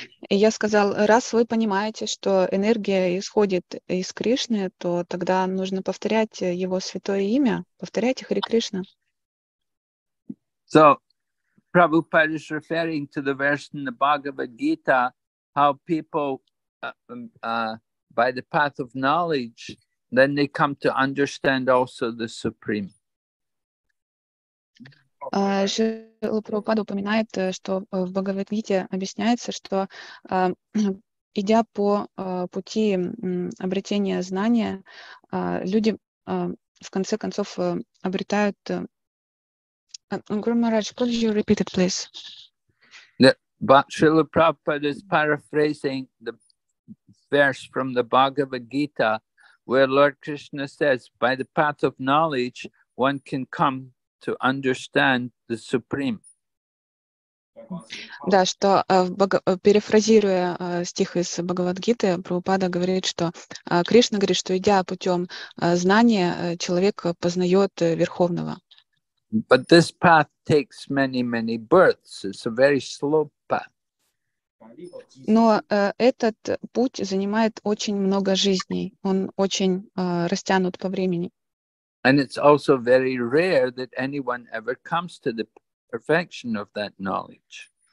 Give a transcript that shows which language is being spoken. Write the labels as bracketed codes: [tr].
[ru] И я сказал, раз вы понимаете, что энергия исходит из Кришны, то тогда нужно повторять его святое имя, повторяйте Хари Кришна. [en] So, Prabhupada is referring to the verse in the Bhagavad Gita, how people, by the path of knowledge, then they come to understand also the Supreme. [ru] Шрила Прабхупада упоминает, что в Бхагавад-гите объясняется, что идя по пути обретения знания, люди в конце концов обретают... [en] Гуру Махарадж, could you repeat it, please? But Шрила Прабхупада is paraphrasing the verse from the Bhagavad-gita, where Lord Krishna says, by the path of knowledge, one can come to understand the Supreme. [ru] Да, что перефразируя стих из Бхагавад-гиты, Прабхупада говорит, что Кришна говорит, что идя путем знания, человек познает Верховного. [en] But this path takes many, many births. It's a very slow path. [ru] Но этот путь занимает очень много жизней. Он очень растянут по времени. [en] And it's also very rare that anyone ever comes to the perfection of that knowledge.